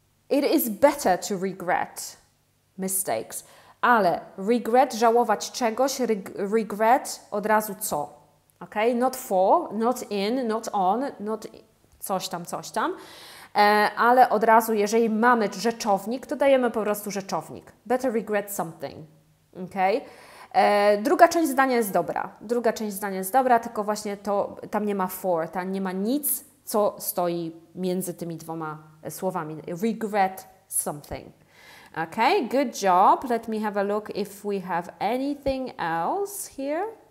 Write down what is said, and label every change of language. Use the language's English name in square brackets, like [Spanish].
[English] It is better to regret mistakes. [Polish] Ale regret, żałować czegoś, regret, od razu co? [English] Ok, not for, not in, not on, not [Polish] coś tam, coś tam. Ale od razu, jeżeli mamy rzeczownik, to dajemy po prostu rzeczownik. [English] Better regret something. Ok. [Polish] Druga część zdania jest dobra. Druga część zdania jest dobra, tylko właśnie to, tam nie ma for, tam nie ma nic, co stoi między tymi dwoma słowami. [English] Regret something. Ok, good job. Let me have a look if we have anything else here.